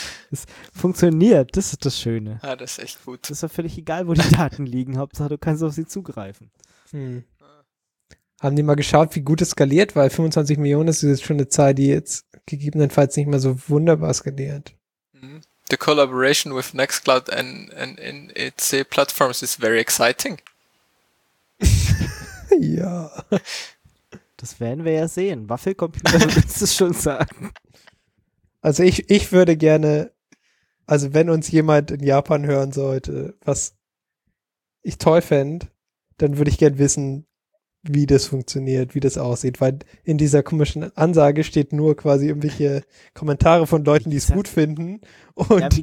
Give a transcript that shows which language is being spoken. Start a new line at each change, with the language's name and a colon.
German: Es funktioniert. Das ist das Schöne. Ja, das ist echt gut. Das ist doch völlig egal, wo die Daten liegen. Hauptsache, du kannst auf sie zugreifen. Haben die mal geschaut, wie gut es skaliert, weil 25 Millionen ist jetzt schon eine Zahl, die jetzt gegebenenfalls nicht mehr so wunderbar skaliert.
English: The collaboration with Nextcloud and in its platforms is very exciting.
German: Ja. Das werden wir ja sehen. Waffelcomputer, willst du schon sagen. Also ich würde gerne, also wenn uns jemand in Japan hören sollte, was ich toll fände, dann würde ich gerne wissen, wie das funktioniert, wie das aussieht, weil in dieser komischen Ansage steht nur quasi irgendwelche Kommentare von Leuten, die es gut finden und